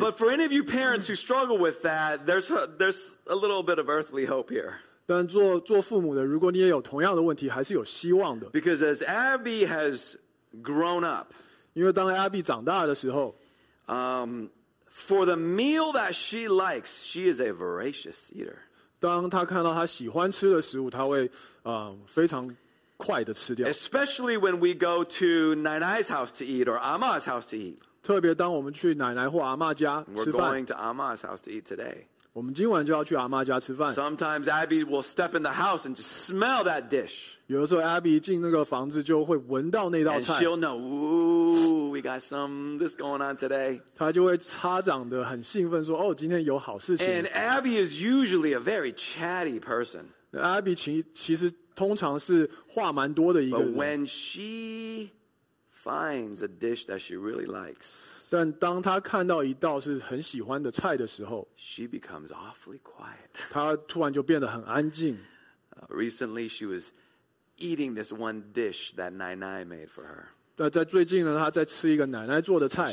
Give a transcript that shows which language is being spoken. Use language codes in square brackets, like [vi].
[en] But for any of you parents who struggle with that, there's a little bit of earthly hope here. [zh] 但做父母的，如果你也有同样的问题，还是有希望的。 [en] Because as Abby has grown up, [zh] 因为当Abby长大的时候, [en] For the meal that she likes, she is a voracious eater. [zh] 当她看到她喜欢吃的食物,她会, 非常快地吃掉。 [en] Especially when we go to 奶奶's house to eat or 阿嬷's house to eat. [zh] 特别当我们去奶奶或阿嬷家吃饭, [en] we're going to 阿嬷's house to eat today. [zh] 我们今晚就要去阿嬷家吃饭。 [en] Sometimes Abby will step in the house and just smell that dish. [zh] 有的时候Abby进那个房子就会闻到那道菜。 [en] And she'll know, ooh, we got some this going on today. [zh] 她就会擦掌的很兴奋说，哦，今天有好事情。 [en] And Abby is usually a very chatty person. [zh] Abby其实通常是话蛮多的一个人。 [en] But when she finds a dish that she really likes, [zh] 但当她看到一道是很喜欢的菜的时候, [en] she becomes awfully quiet. [zh] 她突然就变得很安静。 [en] Recently, she was eating this one dish that Nai Nai made for her. [zh] 在最近呢，她在吃一个奶奶做的菜。